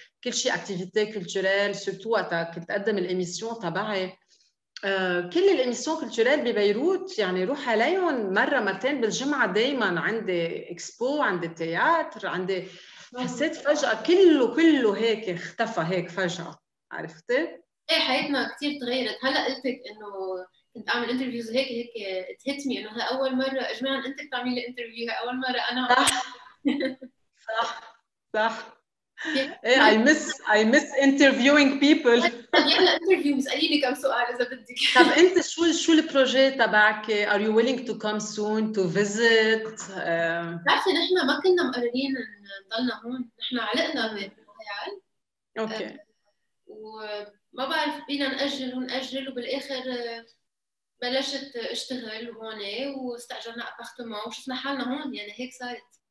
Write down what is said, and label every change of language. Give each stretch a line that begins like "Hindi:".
Arabic: كل شيء اكتيفيتي كلتشرال سورتو وقتها كنت اقدم الايميسيون تبعي كل الإميسيون كولتورال ببيروت يعني روح عليهم مرة مرتين بالجمعة دايما عندي إكسبو عندي تياتر عندي حسيت فجأة كله هيك اختفى هيك فجأة عرفتي؟ إيه حياتنا كتير تغيرت هلأ قلتك إنه كنت أعمل انترفيوز هيك هيك تهتمي إنه هاي أول مرة أجمع أنت تعملي انترفيو هاي أول مرة أنا صح
English: Yeah. Hey, I miss interviewing people.
Arabic: يلا interviews. أليني كم سؤال إذا بدك. طب أنت شو البروجي تبعك؟
English: Are you willing to come soon to visit?
Arabic: عارفة نحنا ما كنا مقررين نضلنا هون. نحنا علقنا بالمونتريال.
English: Okay.
Arabic: وما بعرف بينا نأجل ونأجل وبالآخر بلشت اشتغل هون واستأجرنا أبارتمان وشفنا حالنا هون يعني هيك صارت.